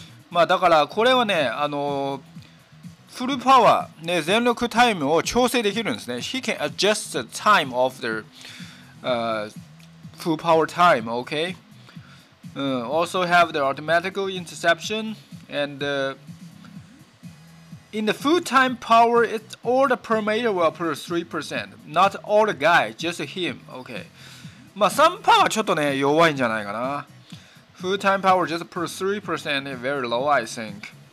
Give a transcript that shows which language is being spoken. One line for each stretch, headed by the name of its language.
Japanese: まあだからこれはね、フルパワーね、全力タイムを調整できるんですね。
English: He can adjust the time of the full power time. Okay. Also have the automatic interception. And in the full time power, it's all the perimeter will plus 3%. Not all the guy, just him. Okay.
Japanese: まあ3パワーちょっとね弱いんじゃないかな。
English: Full time power just plus 3% is very low, I think.